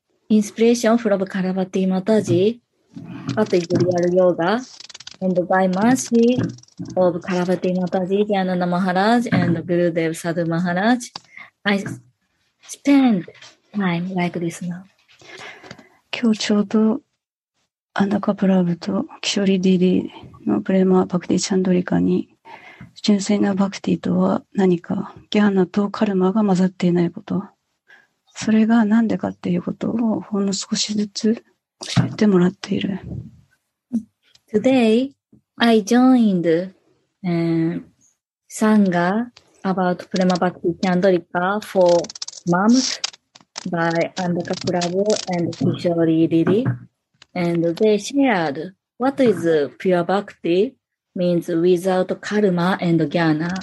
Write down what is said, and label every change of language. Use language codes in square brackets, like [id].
[en] Inspiration from Karavati Mataji, but it's real yoga. And by mercy of Karavati Mataji, Dhyananda Maharaj, and Gurudev Sadhu Maharaj, I spend time like this now. [ja] 今日ちょうどアンダカプラブとキショリディリのプレーマーバクティチャンドリカに純粋なバクティとは何か、ギャーナとカルマが混ざっていないこと。それが何でかっていうことをほんの少しずつ教えてもらっている。 [en] Today, I joined Sangha about Prema Bhakti Chandrika for months by Andaka Prabhu and Kishori Riri. And they shared what is pure bhakti means without karma and jnana.